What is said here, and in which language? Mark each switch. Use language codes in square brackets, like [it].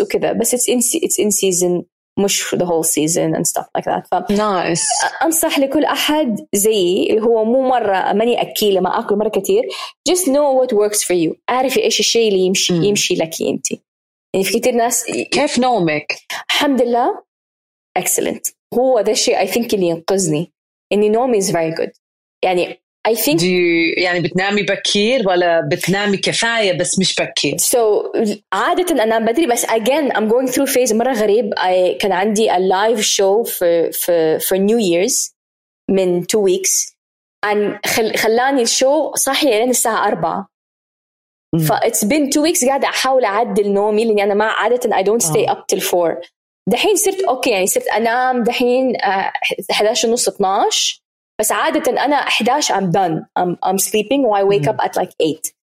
[en] وكذا بس it's in season مش the whole season and stuff like that nice [ar] أنصح لكل أحد زي اللي هو مو مرة ماني أكيلة ما أكل مرة كتير [en] just know what works for you [ar] أعرفي إيش الشيء اللي يمشي لك أنت يعني في كتير ناس كيف نومك الحمد لله excellent. هو ده الشيء [en] I think [ar] اللي ينقذني. إني نومي [en] is very good. يعني I think. Do you, [ar] يعني بتنامي بكير ولا بتنامي كفاية بس مش بكير؟ So عادة أنا بدري بس again [en] I'm going through phase [ar] مرة غريب. [en] I [ar] كان عندي [en] a live show for New Year's من 2 weeks. [ar] And خلاني الشو صاحي لين الساعة 4. [en] فا it's been 2 weeks [ar] قاعدة أحاول أعدل نومي لأني أنا ما عادة [en] I don't stay up till 4. [ar] دحين صرت أوكي يعني صرت أنام دحين 11:30-12. بس عادة أنا 11 [en] I'm done. I'm sleeping while I wake up at like 8.